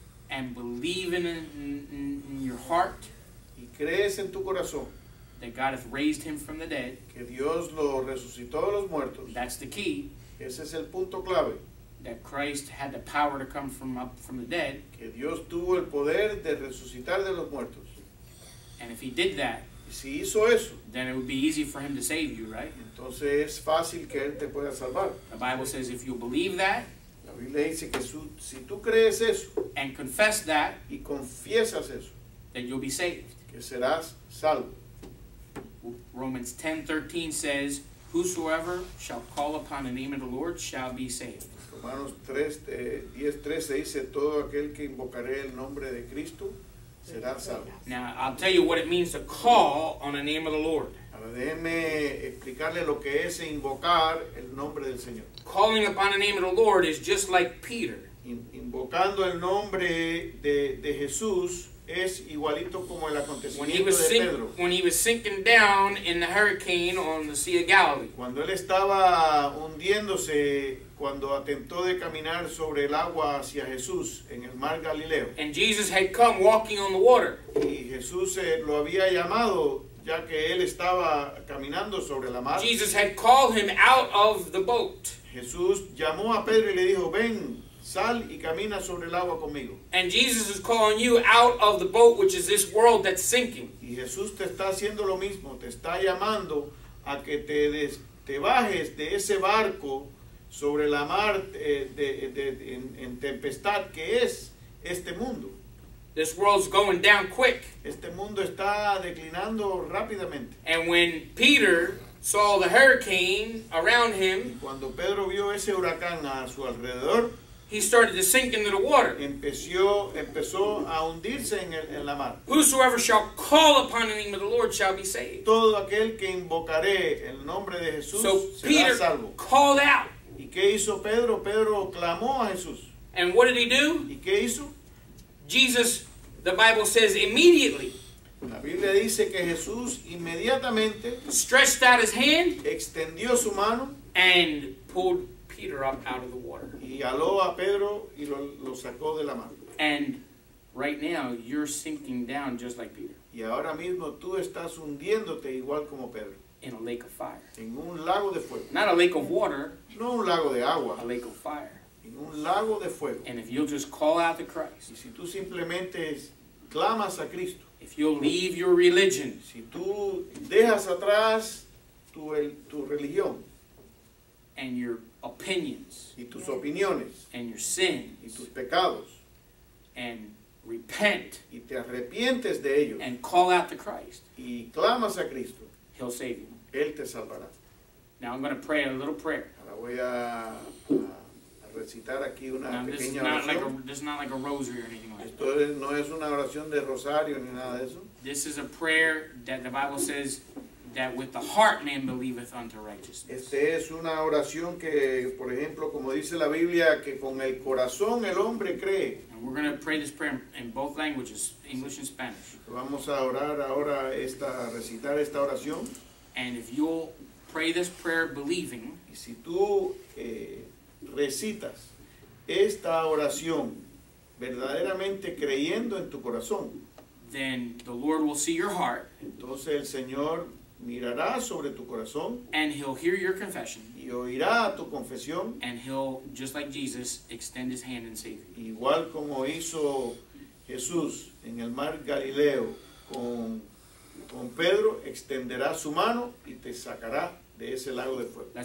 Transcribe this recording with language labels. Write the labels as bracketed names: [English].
[English] And believe in your heart. [Spanish] Y crees en tu corazón. [English] That God has raised him from the dead. [Spanish] Que Dios lo resucitó de los muertos. [English] That's the key. [Spanish] Ese es el punto clave. [English] That Christ had the power to come from up from the dead. [Spanish] Que Dios tuvo el poder de resucitar de los muertos. [English] And if he did that, [Spanish] si hizo eso, [English] then it would be easy for him to save you, right? [Spanish] Entonces es fácil que él te pueda salvar. [English] The Bible says if you believe that, [Spanish] la Biblia dice que su, si tú crees eso, [English] and confess that, [Spanish] y confiesas eso, [English] then you'll be saved. [Spanish] Que serás salvo. [English] Romans 10:13 says, "Whosoever shall call upon the name of the Lord shall be saved." [Spanish] Romanos 10:13 dice, "Todo aquel que invocare el nombre de Cristo será salvo." [English] Now I'll tell you what it means to call on the name of the Lord. [Spanish] Ahora, déjeme explicarle lo que es invocar el nombre del Señor. [English] Calling upon the name of the Lord is just like Peter. [Spanish] Invocando el nombre de Jesús es igualito como el acontecimiento de Pedro. [English] When he was sinking down in the hurricane on the Sea of Galilee. [Spanish] Cuando él estaba hundiéndose, cuando atentó de caminar sobre el agua hacia Jesús en el mar Galileo. [English] And Jesus had come walking on the water. [Spanish] Y Jesús lo había llamado ya que él estaba caminando sobre la mar. [English] Jesus had called him out of the boat. [Spanish] Jesús llamó a Pedro y le dijo, "Ven, sal y camina sobre el agua conmigo." [English] And Jesus is calling you out of the boat, which is this world that's sinking. [Spanish] Y Jesús te está haciendo lo mismo, te está llamando a que te bajes de ese barco sobre la mar en tempestad que es este mundo. [English] This world's going down quick. [Spanish] Este mundo está declinando rápidamente. [English] And when Peter saw the hurricane around him, [Spanish] y cuando Pedro vio ese huracán a su alrededor, [English] he started to sink into the water. [Spanish] Empezó a hundirse en la mar. [English] Whosoever shall call upon the name of the Lord shall be saved. [Spanish] Todo aquel que invocare el nombre de Jesús será salvo. [English] So Peter called out. [Spanish] ¿Y qué hizo Pedro? Pedro clamó a Jesús. [English] And what did he do? [Spanish] ¿Y qué hizo? [English] Jesus, the Bible says, immediately. [Spanish] La Biblia dice que Jesús inmediatamente [English] stretched out his hand, [Spanish] extendió su mano, [English] and pulled Peter up out of the water. [Spanish] Y jaló a Pedro y lo sacó de la mano. [English] And right now you're sinking down just like Peter. [Spanish] Y ahora mismo tú estás hundiéndote igual como Pedro. [English] In a lake of fire. [Spanish] En un lago de fuego. [English] Not a lake of water. [Spanish] No un lago de agua. [English] A lake of fire. [Spanish] En un lago de fuego. [English] And if you'll just call out to Christ. [Spanish] Y si tú simplemente clamas a Cristo. [English] If you'll leave your religion. [Spanish] Si tú dejas atrás tu religión. [English] And your opinions. [Spanish] Y tus opiniones. [English] And your sins. [Spanish] Y tus pecados. [English] And repent. [Spanish] Y te arrepientes de ellos. [English] And call out to Christ. [Spanish] Y clamas a Cristo. [English] He'll save you. [Spanish] Él te salvará. [English] Now I'm going to pray a little prayer. [Spanish] Ahora voy a recitar aquí una [English] now, [Spanish] pequeña [English] this is [Spanish] oración. [English] Like a, this is not like a rosary or anything like [Spanish] esto [English] that. [Spanish] Esto no es una oración de rosario ni nada de eso. [English] This is a prayer that the Bible says that with the heart man believeth unto righteousness. [Spanish] Esta es una oración que, por ejemplo, como dice la Biblia, que con el corazón el hombre cree. [English] And we're going to pray this prayer in both languages, English and Spanish. [Spanish] Vamos a orar ahora esta, recitar esta oración. [English] And if you'll pray this prayer believing, [Spanish] y si tú recitas esta oración verdaderamente creyendo en tu corazón, [English] then the Lord will see your heart. [Spanish] Entonces el Señor mirará sobre tu corazón. [English] And he'll hear your confession. [Spanish] Y oirá tu confesión. [English] And he'll, just like Jesus, extend his hand and save you. [Spanish] Igual como hizo Jesús en el mar Galileo con Pedro, extenderá su mano y te sacará de ese lago de fuego.